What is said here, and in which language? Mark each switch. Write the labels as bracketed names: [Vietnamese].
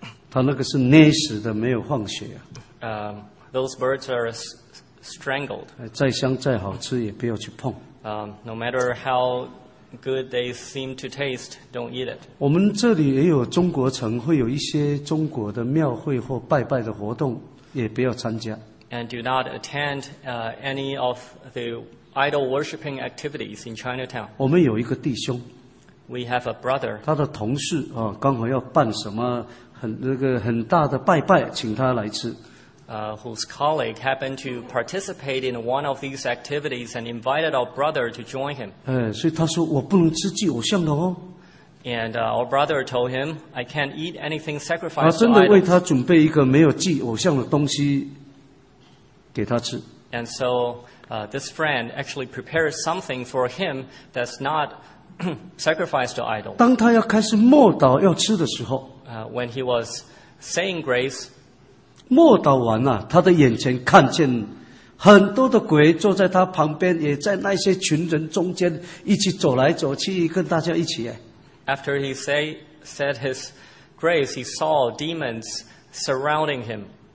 [Chinese] 它那个是捏死的，没有放血啊。 [English] Those birds are strangled. [Chinese] 再香再好吃也不要去碰。 [English] No matter how good they seem to taste, don't eat it. [Chinese] 我们这里也有中国城，会有一些中国的庙会或拜拜的活动，也不要参加。 [English] And do not attend any of the idol worshipping activities in Chinatown. [Chinese] 我们有一个弟兄。 [English] We have a brother. [Chinese] 他的同事啊，刚好要办什么很那个很大的拜拜，请他来吃。 [English] Whose colleague happened to participate in one of these activities and invited our brother to join him. [Chinese] 所以他说我不能吃祭偶像的哦。 [English] And our brother told him, I can't eat anything sacrificed to idols. [Chinese] 真的为他准备一个没有祭偶像的东西给他吃。 [English] And so this friend actually prepared something for him that's not sacrificed to idols. [Chinese] 当他要开始默祷要吃的时候， [English] When he was saying grace, [Chinese] 默祷完了，他的眼前看见很多的鬼坐在他旁边，也在那些群人中间一起走来走去，跟大家一起。 [English] After he said his grace, he saw demons surrounding him.